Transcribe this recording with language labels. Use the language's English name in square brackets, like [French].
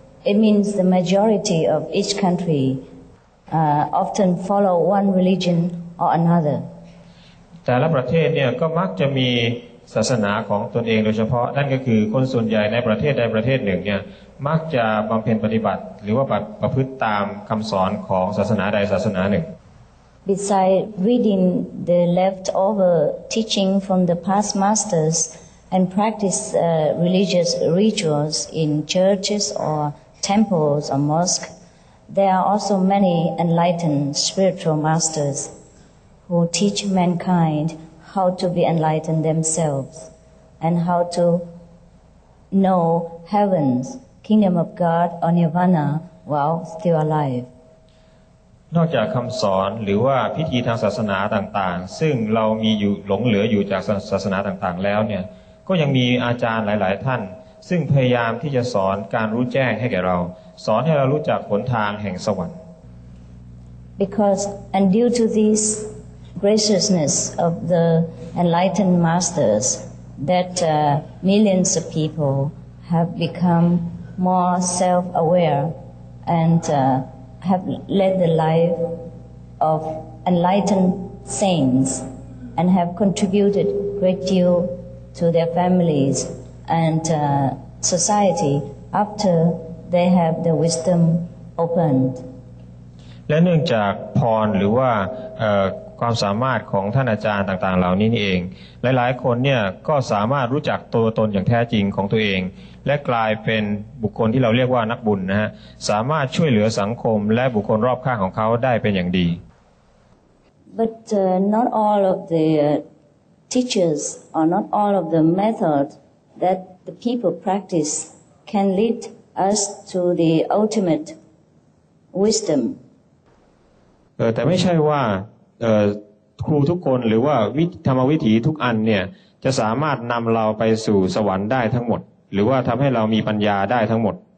[English] It means the majority of each country often follow one religion or another. [Thai] แต่ละประเทศเนี่ยก็มักจะมีศาสนาของตนเองโดยเฉพาะนั่นก็คือคนส่วนใหญ่ในประเทศใดประเทศหนึ่งเนี่ยมักจะบำเพ็ญปฏิบัติหรือว่าประพฤติตามคำสอนของศาสนาใดศาสนาหนึ่ง [English] Besides reading the leftover teaching from the past masters and practice religious rituals in churches or temples or mosques, there are also many enlightened spiritual masters. Who teach mankind how to be enlightened themselves and how to know heaven's kingdom of God or nirvana while still alive? [Thai] นอกจากคำสอนหรือว่าพิธีทางศาสนาต่างๆซึ่งเรามีอยู่หลงเหลืออยู่จากศาสนาต่างๆแล้วเนี่ยก็ยังมีอาจารย์หลายๆท่านซึ่งพยายามที่จะสอนการรู้แจ้งให้แก่เราสอนให้เรารู้จักหนทางแห่งสวรรค์ [English] Because and due to thisGraciousness of the enlightened masters that millions of people have become more self-aware and have led the life of enlightened saints and have contributed a great deal to their families and society after they have the wisdom opened. [Thai] และเนื่องจากพรหรือว่าความสามารถของท่านอาจารย์ต่างๆเหล่านี้นี่เองหลายๆคนเนี่ยก็สามารถรู้จักตัวตนอย่างแท้จริงของตัวเองและกลายเป็นบุคคลที่เราเรียกว่านักบุญนะฮะสามารถช่วยเหลือสังคมและบุคคลรอบข้างของเขาได้เป็นอย่างดี [English] But not all of the teachers or not all of the method that the people practice can lead us to the ultimate wisdom. [Thai] แต่ไม่ใช่ว่าครูทุกคนหรือว่าธรรมวิถีทุกอันเนี่ยจะสามารถนำเราไปสู่สวรรค์ได้ทั้งหมดหรือว่าทำให้เรามีปัญญาได้ทั้งหมด